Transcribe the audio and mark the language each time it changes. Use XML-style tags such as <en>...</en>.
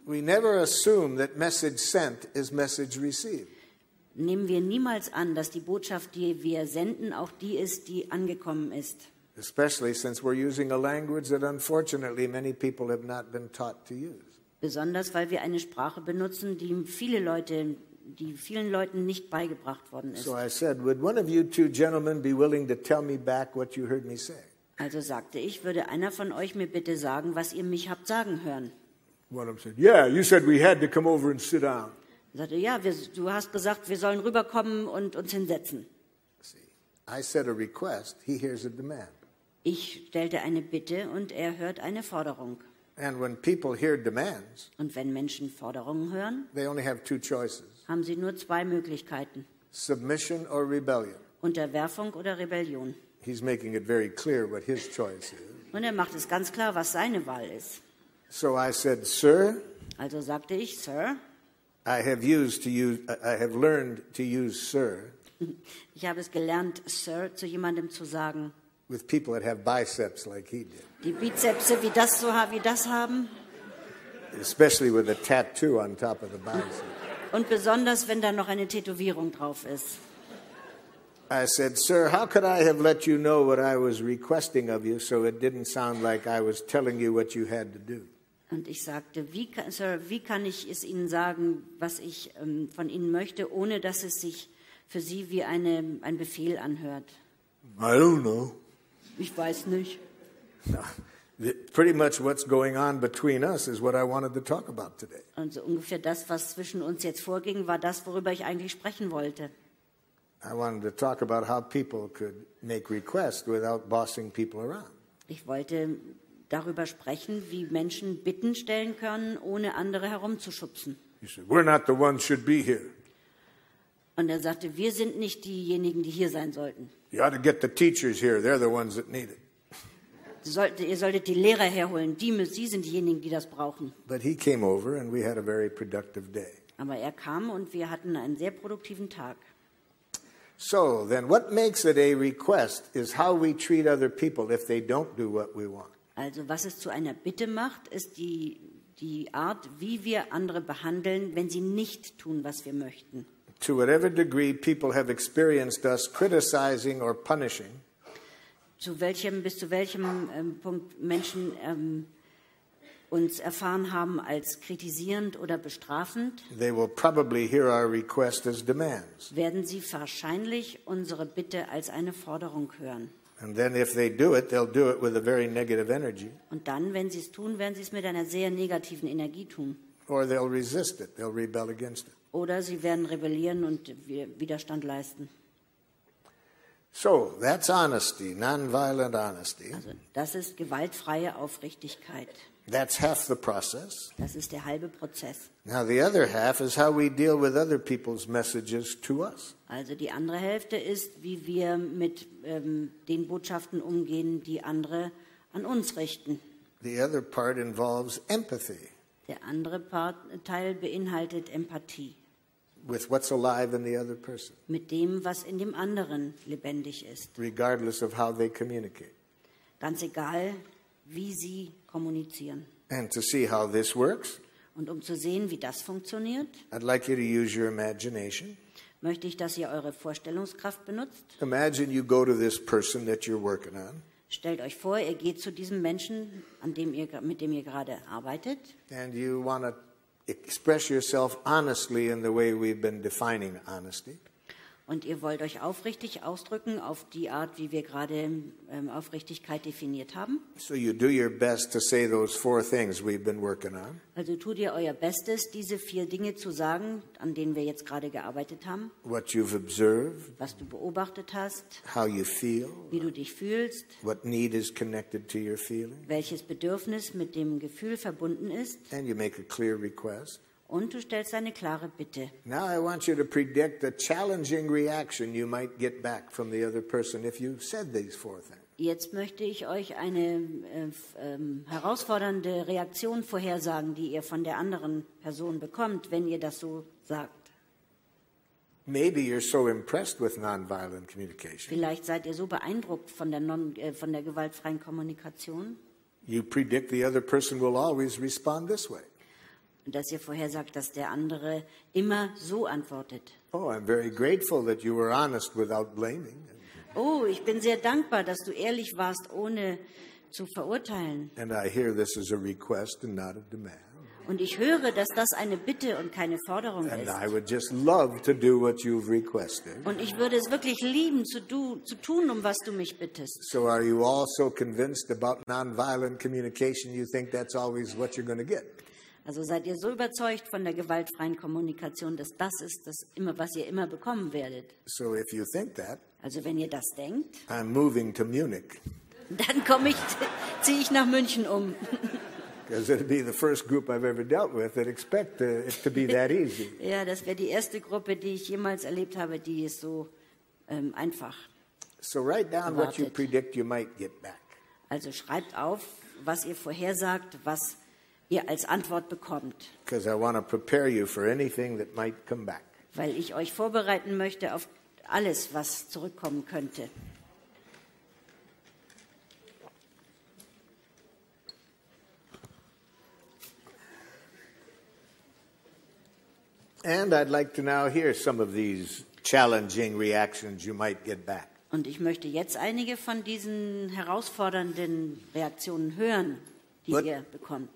<en>we never assume that message sent is message received.</en> <de>Nehmen wir niemals an, dass die Botschaft, die wir senden, auch die ist, die angekommen ist.</de> <en>Especially since we're using a language that unfortunately many people have not been taught to use.</en> <de>Besonders weil wir eine Sprache benutzen, die vielen Leuten nicht beigebracht worden ist.</de> <en>So I said, would one of you two gentlemen be willing to tell me back what you heard me say?</en> <de>Also sagte ich, würde einer von euch mir bitte sagen, was ihr mich habt sagen hören?</de> <en>One of them said, yeah, you said we had to come over and sit down.</en> <de>Sagte, ja, du hast gesagt, wir sollen rüberkommen und uns hinsetzen.</de> <en>See, I said a request, he hears a demand.</en> <de>Ich stellte eine Bitte und er hört eine Forderung.</de> <en>And when people hear demands,</en> <de>und wenn Menschen Forderungen hören,</de> <en>they only have two choices.</en> <de>Haben sie nur zwei Möglichkeiten.</de> <en>Submission or rebellion.</en> <de>Unterwerfung oder Rebellion.</de> <en>He's making it very clear what his choice is.</en> <de>Und macht es ganz klar, was seine Wahl ist.</de> <en>So I said, sir.</en> <de>Also sagte ich, sir.</de> <en>I have learned to use sir.</en> <de>Ich habe es gelernt, sir, zu jemandem zu sagen.</de> <en>With people that have biceps like he did.</en> <de>Die Bizepse wie das so haben, wie das haben.</de> <en>Especially with a tattoo on top of the bicep.</en> <de>Und besonders wenn da noch eine Tätowierung drauf ist.</de> <en>I said, sir, how could I have let you know what I was requesting of you so it didn't sound like I was telling you what you had to do?</en> <de>Und ich sagte, wie kann ich es Ihnen sagen, was ich von Ihnen möchte, ohne dass es sich für Sie wie ein Befehl anhört?</de> <en>I don't know.</en> <de>Ich weiß nicht.</de> <en>Pretty much what's going on between us is what I wanted to talk about today.</en> <de>Und so ungefähr das, was zwischen uns jetzt vorging, war das, worüber ich eigentlich sprechen wollte.</de> <en>I wanted to talk about how people could make requests without bossing people around.</en> <de>Ich wollte darüber sprechen, wie Menschen Bitten stellen können, ohne andere herumzuschubsen.</de> <en>He said, "We're not the ones should be here."</en> <de>Und sagte, wir sind nicht diejenigen, die hier sein sollten.</de> <en>You ought to get the teachers here; they're the ones that need it.</en> <de>Ihr solltet die Lehrer herholen. Sie sind diejenigen, die das brauchen.</de> <en>But he came over, and we had a very productive day.</en> <de>Aber kam und wir hatten einen sehr produktiven Tag.</de> <en>So then what makes it a request is how we treat other people if they don't do what we want.</en> <de>Also was es zu einer Bitte macht, ist die Art, wie wir andere behandeln, wenn sie nicht tun, was wir möchten.</de> <en>To whatever degree people have experienced us criticizing or punishing.</en> <de>Bis zu welchem Punkt Menschen uns erfahren haben als kritisierend oder bestrafend,</de> <en>they will probably hear our request as demands.</en> <de>Werden sie wahrscheinlich unsere Bitte als eine Forderung hören.</de> <en>And then if they do it, they'll do it with a very negative energy.</en> <de>Und dann, wenn sie es tun, werden sie es mit einer sehr negativen Energie tun.</de> <en>Or they'll resist it, they'll rebel against it.</en> <de>Oder sie werden rebellieren und Widerstand leisten.</de> <en>So, that's honesty, non-violent honesty.</en> <de>Also, das ist gewaltfreie Aufrichtigkeit.</de> <en>That's half the process.</en> <de>Das ist der halbe Prozess.</de> <en>Now the other half is how we deal with other people's messages to us.</en> <de>Also die andere Hälfte ist, wie wir mit den Botschaften umgehen, die andere an uns richten.</de> <en>The other part involves empathy.</en> <de>Der andere Part, Teil beinhaltet Empathie.</de> <en>With what's alive in the other person.</en> <de>Mit dem, was in dem anderen lebendig ist.</de> <en>Regardless of how they communicate.</en> <de>Ganz egal, wie sie kommunizieren.</de> <en>And to see how this works.</en> <de>Und zu sehen, wie das funktioniert.</de> <en>I'd like you to use your imagination.</en> <de>Möchte ich, dass ihr eure Vorstellungskraft benutzt.</de> <en>Imagine you go to this person that you're working on.</en> <de>Stellt euch vor, ihr geht zu diesem Menschen, an dem ihr, mit dem ihr gerade arbeitet.</de> <en>And you want to express yourself honestly in the way we've been defining honesty.</en> <de>Und ihr wollt euch aufrichtig ausdrücken auf die Art, wie wir gerade Aufrichtigkeit definiert haben.</de> <en>So you do your best to say those four things we've been working on.</en> <de>Also tut ihr euer Bestes, diese vier Dinge zu sagen, an denen wir jetzt gerade gearbeitet haben.</de> <en>What you've observed.</en> <de>Was du beobachtet hast.</de> <en>How you feel.</en> <de>Wie du dich fühlst.</de> <en>What need is connected to your feeling.</en> <de>Welches Bedürfnis mit dem Gefühl verbunden ist.</de> <en>And you make a clear request.</en> <de>Und du stellst eine klare Bitte.</de> <en>Now I want you to predict the challenging reaction you might get back from the other person if you said these four things.</en> <de>Jetzt möchte ich euch eine herausfordernde Reaktion vorhersagen, die ihr von der anderen Person bekommt, wenn ihr das so sagt.</de> <en>Maybe you're so impressed with nonviolent communication.</en> <de>Vielleicht seid ihr so beeindruckt von der von der gewaltfreien Kommunikation.</de> <en>You predict the other person will always respond this way.</en> <de>Dass ihr vorhersagt, dass der andere immer so antwortet.</de> <en>Oh, I'm very grateful that you were honest without blaming.</en> <de>Oh, ich bin sehr dankbar, dass du ehrlich warst, ohne zu verurteilen.</de> <en>And I hear this is a request and not a demand.</en> <de>Und ich höre, dass das eine Bitte und keine Forderung</de> <en>and</en> <de>ist.</de> <en>I would just love to do what you've requested.</en> <de>Und ich würde es wirklich lieben, zu tun, was du mich bittest.</de> <en>So are you all so convinced about nonviolent communication, you think that's always what you're going to get?</en> <de>Also seid ihr so überzeugt von der gewaltfreien Kommunikation, dass das ist, das immer, was ihr immer bekommen werdet?</de> <en>So if you think that,</en> <de>also wenn ihr das denkt,</de> <en>I'm moving to Munich.</en> <de>Dann komme ich, ziehe ich nach München um.</de> <en>Because it'll be the first group I've ever dealt with that expect it to be that easy.</en> <de>Ja, das wäre die erste Gruppe, die ich jemals erlebt habe, die ist so einfach.</de> <en>So write down</en> <de>erwartet.</de> <en>What you predict you might get back.</en> <de>Also schreibt auf, was ihr vorhersagt, was als Antwort bekommt.</de> <en>Because I want to prepare you for anything that might come back.</en> <de>Weil ich euch vorbereiten möchte auf alles, was zurückkommen könnte.</de> <en>And I'd like to now hear some of these challenging reactions you might get back.</en> <de>Und ich möchte jetzt einige von diesen herausfordernden Reaktionen hören, die ihr bekommt.</de>